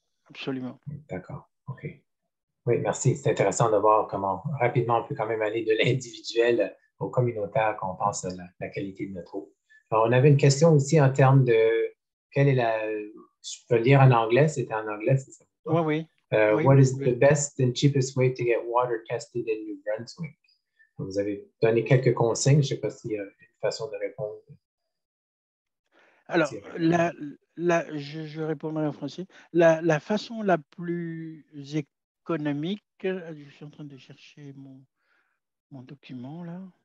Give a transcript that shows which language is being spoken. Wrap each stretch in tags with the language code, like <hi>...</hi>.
<fr>Absolument. D'accord. OK. Oui, merci. C'est intéressant de voir comment rapidement on peut quand même aller de l'individuel au communautaire quand on pense à la qualité de notre eau. Alors, on avait une question aussi en termes de quelle est la. Je peux lire en anglais, c'était en anglais, c'est ça? Oui, oui.</fr> <en>What is the best and cheapest way to get water tested in New Brunswick?</en> <fr>Vous avez donné quelques consignes. Je ne sais pas s'il y a une façon de répondre. Alors, je répondrai en français. La façon la plus économique, je suis en train de chercher mon document là.</fr>